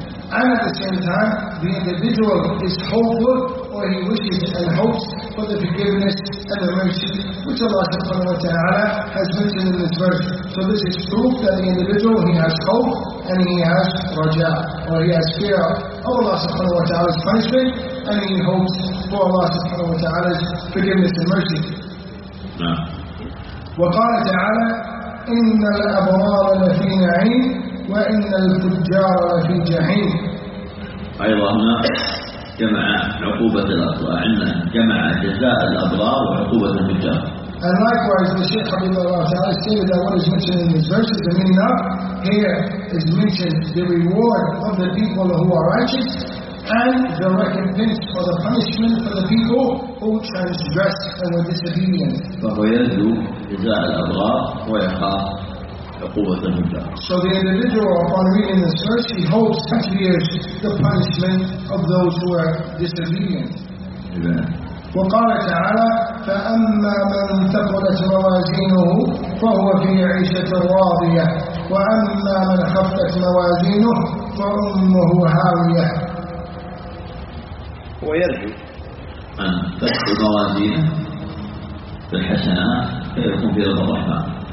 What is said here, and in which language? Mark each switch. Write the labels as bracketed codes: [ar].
[en] And at the same time, the individual is hopeful, or he wishes and hopes for the forgiveness and the mercy which Allah subhanahu wa ta'ala has mentioned in this verse. So this is proof that the individual, he has hope and he has raja, or he has fear of Allah subhanahu wa ta'ala's punishment, and he hopes for Allah subhanahu wa ta'ala's forgiveness and mercy. [ar] وَقَالَ تَعَالَى إِنَّ الْأَبْرَارَ لَفِي نَعِيمٍ وإن الفجار لفي جحيم. أيضا هنا جمع عقوبة الأبرار, عندنا جمع جزاء الأبرار وعقوبة الفجار. [en] And likewise the Shaykh [ar] رضي الله تعالى [en] stated that what is mentioned in this verse, the meaning of here is mentioned the reward of the people who are righteous and the recompense for the punishment for the people who transgress and were disobedient. [ar] فهو يرجو جزاء الأبرار ويخاف. [en] So the individual, upon reading this verse, he hopes and fears the punishment of those who are disobedient. [ar] وقال تعالى فأما من ثقلت موازينه فهو في عيشة راضية وأما من خفت موازينه فأمه هاوية. ويرجو أن تثقل موازينه بالحسنات فيكون في رضا الرحمن.